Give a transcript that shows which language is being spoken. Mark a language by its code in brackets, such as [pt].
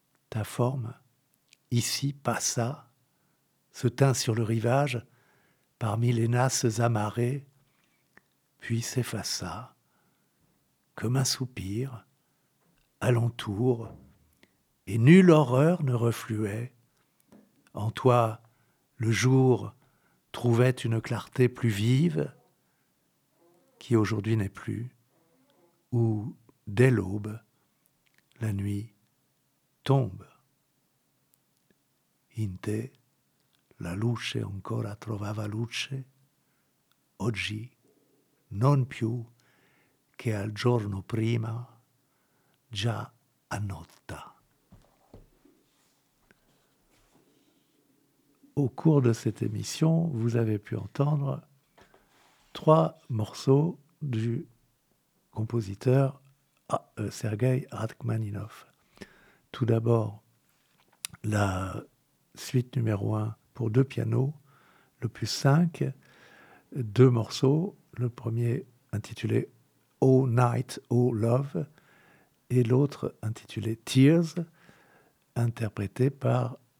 [fr] Ta forme, ici, passa, se teint sur le rivage, parmi les nasses amarrées, puis s'effaça, comme un soupir, alentour, et nulle horreur ne refluait. En toi, le jour trouvait une clarté plus vive, qui aujourd'hui n'est plus, où, dès l'aube, la nuit tombe. [it] In te, la luce ancora trovava luce, oggi, non più che al giorno prima, già a notte. [fr] Au cours de cette émission, vous avez pu entendre trois morceaux du compositeur Sergueï Rachmaninov. Tout d'abord, la suite numéro 1 pour deux pianos, l'opus 5, deux morceaux, le premier intitulé « Oh Night, Oh Love » et l'autre intitulé « Tears », interprété par,